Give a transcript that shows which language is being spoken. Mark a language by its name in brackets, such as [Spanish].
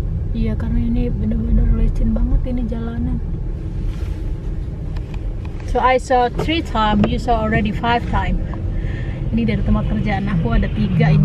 [Indonesian] Iya, karena ini benar-benar licin banget ini jalanan. [English] So I saw 3 times, you saw already 5 times. [Indonesian] Ini dari tempat kerjaan aku ada 3 ini.